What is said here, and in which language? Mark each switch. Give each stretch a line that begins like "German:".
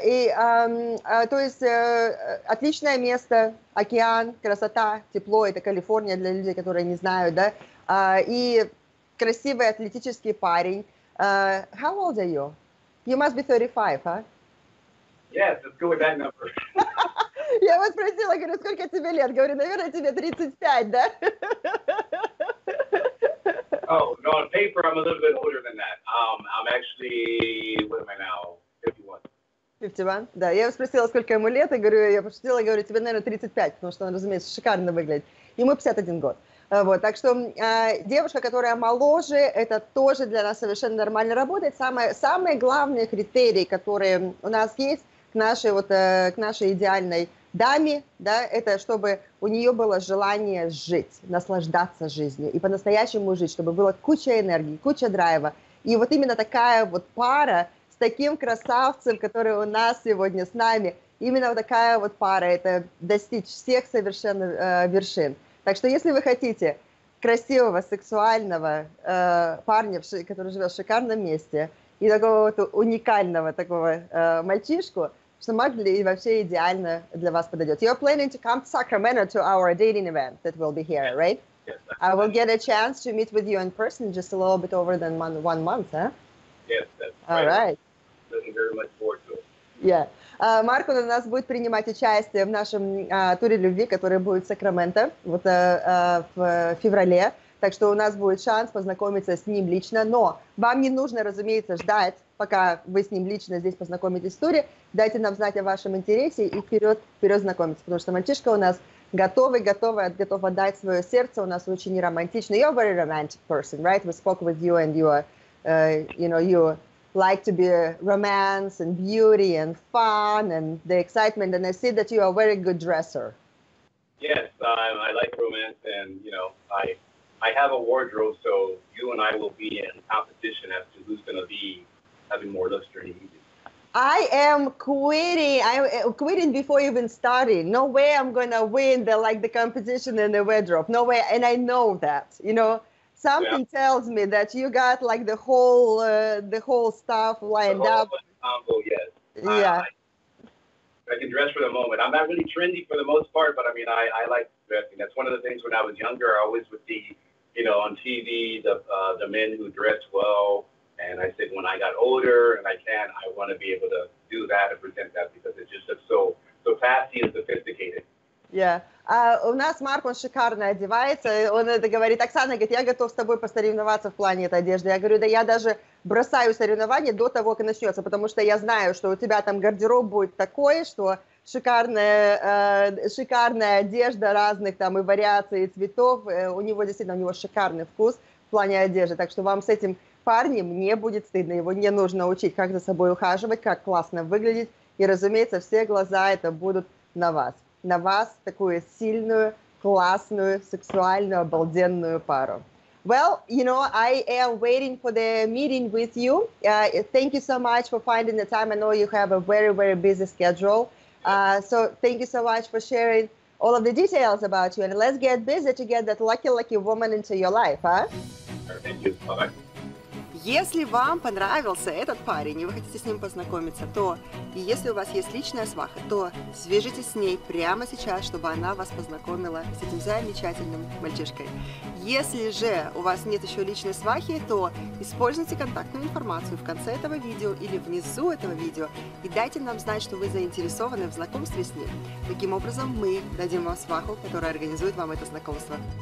Russian: И, то есть, отличное место, океан, красота, тепло, это Калифорния для людей, которые не знают, да? И красивый атлетический парень.
English: How old are you? You must be 35, huh? Yes, let's go with that number.
Russian: Я его спросила, говорю, сколько тебе лет? Говорю, наверное, тебе 35, да?
English: Oh, no, on paper, I'm a little bit older than that. I'm actually, what am I now? 51,
Russian: да. Я его спросила, сколько ему лет, и говорю, я пошутила, говорю, тебе, наверное, 35, потому что он, разумеется, шикарно выглядит. Ему 51 год. Вот, так что девушка, которая моложе, это тоже для нас совершенно нормально работает. Самые главные критерии, которые у нас есть, к нашей идеальной даме, да, это чтобы у нее было желание жить, наслаждаться жизнью и по-настоящему жить, чтобы было куча энергии, куча драйва. И вот именно такая вот пара с таким красавцем, который у нас сегодня с нами, именно вот такая вот пара, это достичь всех совершенно вершин. Так что если вы хотите красивого, сексуального парня, который живет в шикарном месте, и такого вот уникального такого мальчишку, что Марк вообще идеально для вас подойдет.
English: You're planning to come to Sacramento to our dating event that will be here, right? Yes. I will get a chance to meet with you in person just a little bit over than one month, huh? Yes, that's right. Looking very much forward to it. Yeah.
Russian: Марк у нас будет принимать участие в нашем туре любви, который будет в Сакраменто вот в феврале. Так что у нас будет шанс познакомиться с ним лично. Но вам не нужно, разумеется, ждать, пока вы с ним лично здесь познакомитесь в туре. Дайте нам знать о вашем интересе и вперед знакомиться. Потому что мальчишка у нас готов отдать свое сердце. У нас очень романтичный.
English: You're a very romantic person, right? We spoke with you and you like to be romance and beauty and fun and the excitement. And I see that you are a very good dresser. Yes, I like romance and, I have a wardrobe, so you and I will be in competition as to who's going to be having more lustre. I am quitting. I'm quitting before even starting. No way I'm going to win the competition in the wardrobe. No way. And I know that, something yeah. tells me that you got the whole stuff lined the whole up. Ensemble, yes. Yeah. I can dress for the moment. I'm not really trendy for the most part, but I like dressing. That's one of the things when I was younger, I always would see, on TV, the men who dress well. And I said, when I got older and I want to be able to do that and present that because it just looks so fancy and sophisticated. Yeah.
Russian: У нас Марк, он шикарно одевается. Он это говорит. Оксана говорит, я готов с тобой посоревноваться в плане этой одежды. Я говорю, да я даже бросаю соревнования до того, как начнется, потому что я знаю, что у тебя там гардероб будет такой, что шикарная одежда разных там и вариаций цветов. У него действительно, у него шикарный вкус в плане одежды. Так что вам с этим парнем не будет стыдно. Его не нужно учить, как за собой ухаживать, как классно выглядеть. И, разумеется, все глаза это будут на вас. На вас такую сильную, классную, сексуальную, обалденную пару.
English: Well, I am waiting for the meeting with you. Thank you so much for finding the time. I know you have a very, very busy schedule. So thank you so much for sharing all of the details about you. And let's get busy to get that lucky, lucky woman into your life, huh? Thank you. Bye-bye.
Russian: Если вам понравился этот парень и вы хотите с ним познакомиться, то и если у вас есть личная сваха, то свяжитесь с ней прямо сейчас, чтобы она вас познакомила с этим замечательным мальчишкой. Если же у вас нет еще личной свахи, то используйте контактную информацию в конце этого видео или внизу этого видео и дайте нам знать, что вы заинтересованы в знакомстве с ним. Таким образом, мы дадим вам сваху, которая организует вам это знакомство.